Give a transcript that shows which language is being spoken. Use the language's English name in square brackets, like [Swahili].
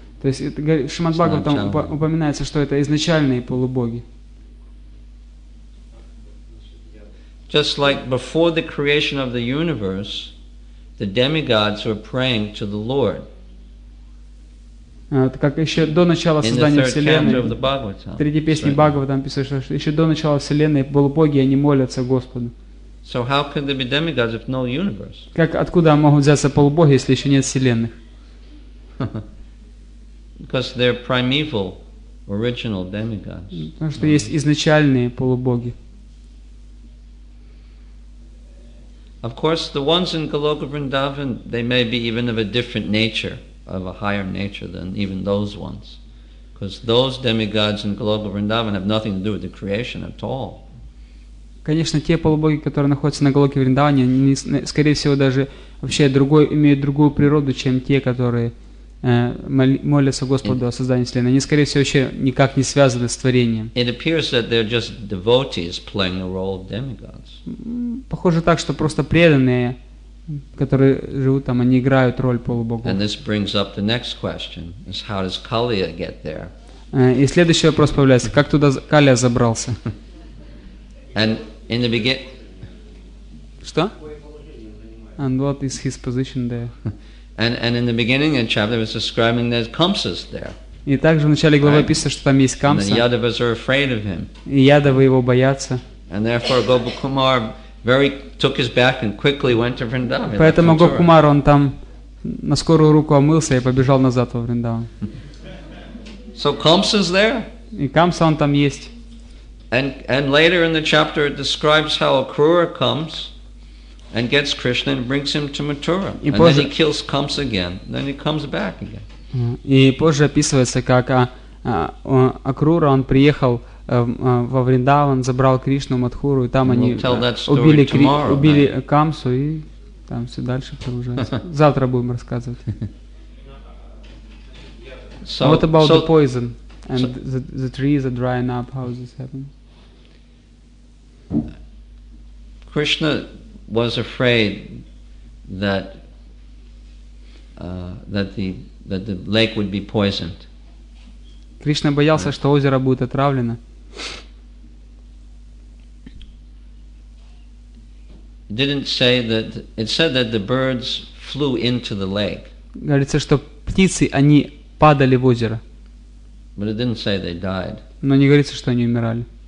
[Russian] То есть Шримад Бхагаватам упоминается, что это изначальные полубоги. [English] Just like before the creation of the universe, the demigods were praying to the Lord. [Russian] Как еще до начала создания Вселенной. В третьей песне Бхагаватам писали, что еще до начала Вселенной полубоги, они молятся Господу. [English] So how can there be demigods if no universe? [Russian] Как откуда могут взяться полубоги, если еще нет Вселенных? [English] Because they're primeval, original demigods. [Russian] Потому что есть изначальные полубоги. [English] Of course, the ones in Goloka Vrindavan, they may be even of a different nature, of a higher nature than even those ones. Because those demigods in Goloka Vrindavan have nothing to do with the creation at all. [Russian] Конечно, те полубоги, которые находятся на Голоке Вриндаване, они, скорее всего, даже вообще имеют другую природу, чем те, которые молятся Господу о создании Вселенной. Они, скорее всего, вообще никак не связаны с творением. [English] It appears that they're just devotees playing the role of demigods. [Russian] Похоже так, что просто преданные, которые живут там, они играют роль полубогов. [English] And this brings up the next question, is how does Kaliya get there? [Russian] И следующий вопрос появляется, как туда Калия забрался? [English] And in the beginning... [Russian] Что? [English] And what is his position there? And in the beginning of the chapter, it was describing there's Kamsas there. [Russian] И также в начале главы описывается, что там есть Камса. [English] And the Yadavas are afraid of him. [Russian] И Ядавы его боятся. [English] And therefore, Gopa Kumar very took his back and quickly went to Vrindavan. [Russian] Поэтому Гопа Кумар, он там на скорую руку омылся и побежал назад во Вриндаван. [English] So Kamsa's there? [Russian] И Камса он там есть. [English] And later in the chapter it describes how Akrura comes and gets Krishna and brings him to Mathura. And [Russian] позже, [English] then he kills Kamsa again. Then he comes back again. [Russian] И позже описывается, как Акрура, он приехал во Вриндаван, забрал Кришну, Матхуру, и там они убили Камсу, и там все дальше продолжается. Завтра будем рассказывать. [English] So, what about the poison? And the trees are drying up. How is this happening? Krishna was afraid that that the lake would be poisoned. [Russian] Кришна боялся, что озеро будет отравлено. [English] Didn't say that. It said that the birds flew into the lake. [Russian] Говорится, что птицы они падали в озеро. [English] But it didn't say they died. [Russian] Но не говорится, что они умирали.